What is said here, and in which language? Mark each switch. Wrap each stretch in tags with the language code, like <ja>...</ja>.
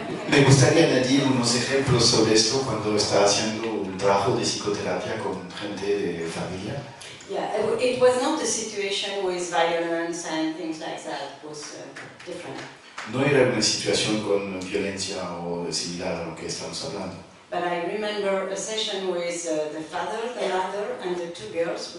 <es>Me gustaría añadir unos ejemplos sobre esto cuando está haciendo un trabajo de psicoterapia con gente de familia.</es> <en>Yeah, it was not the situation with violence and things like that. It was different.</en> <es>No era una situación con violencia o similar a lo que estamos hablando.</es> <en>But I remember a session with the father, the mother, and the two girls.</en>